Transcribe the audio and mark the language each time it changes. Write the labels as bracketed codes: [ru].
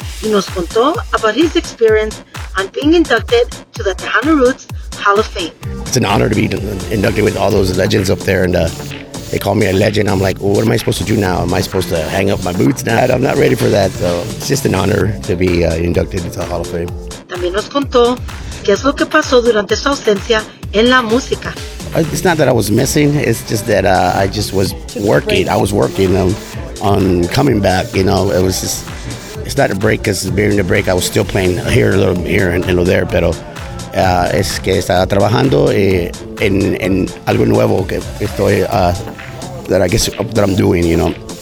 [es] Y nos contó [en] about his experience on being inducted to the Tejano Roots Hall of Fame. It's an honor to be inducted with all those legends up there. They call me a legend. I'm like, well, what am I supposed to do now? Am I supposed to hang up my boots now? I'm not ready for that, though. It's just an honor to be inducted into the Hall of Fame. [es] También nos contó qué es lo que pasó durante su ausencia en la música. [en] It's not that I was missing. It's just that I just was working. I was working on coming back, you know. It was just, it's not a break, because during the break, I was still playing here, a little here and a little there, pero... [es] es que estaba trabajando en algo nuevo que estoy [en] that I'm doing, you know.